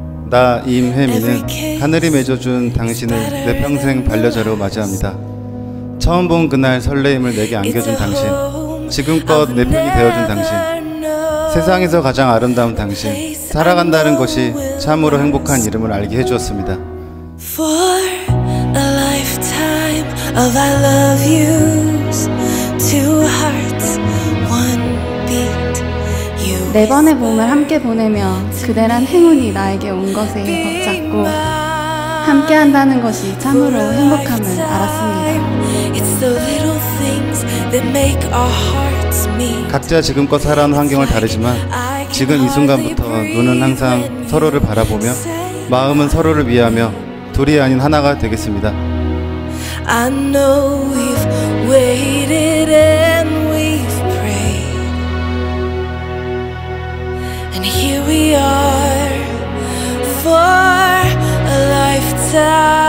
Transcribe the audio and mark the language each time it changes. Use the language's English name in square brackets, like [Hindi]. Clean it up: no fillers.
[Korean] 나 임혜미는 하늘이 맺어준 당신을 내 평생 반려자로 맞이합니다. 처음 본 그날 설레임을 내게 안겨준 당신, 지금껏 내 편이 되어준 당신, 세상에서 가장 아름다운 당신, 살아간다는 것이 참으로 행복한 이름을 알게 해주었습니다. [English] For a lifetime of I love yous, two hearts, one beat. [Korean] 네 번의 봄을 함께 보내며 그대란 행운이 나에게 온 것에 벅찼고 함께 한다는 것이 참으로 행복함을 알았습니다. [English] It's the little things that make our hearts meet. [Korean] 각자 지금껏 살아온 환경은 다르지만 지금 이 순간부터 눈은 항상 서로를 바라보며 마음은 서로를 위하며 둘이 아닌 하나가 되겠습니다. [English] I know we've waited and we've prayed. And here we are for a lifetime.